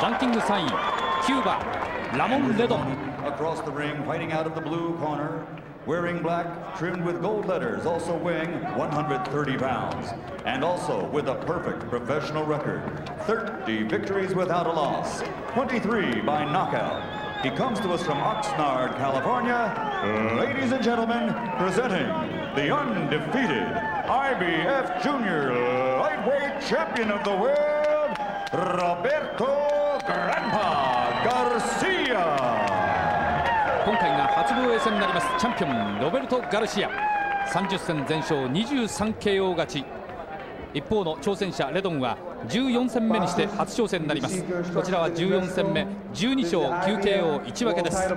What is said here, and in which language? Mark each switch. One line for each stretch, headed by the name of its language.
Japanese: ランキング3位キューバラモン・レドン。
English: Across the ring, fighting out of the blue corner, wearing black, trimmed with gold letters, also weighing 130 pounds, and also with a perfect professional record, 30 victories without a loss, 23 by knockout. He comes to us from Oxnard, California. Ladies and gentlemen, presenting the undefeated IBF Junior Lightweight Champion of the WorldRoberto Granpa Garcia。
Japanese: 今回が初防衛戦になります。チャンピオンロベルト・ガルシア、30戦全勝 23KO 勝ち。一方の挑戦者レドンは 14戦目にして初挑戦になります。こちらは14戦目、12勝 9KO1 分けです。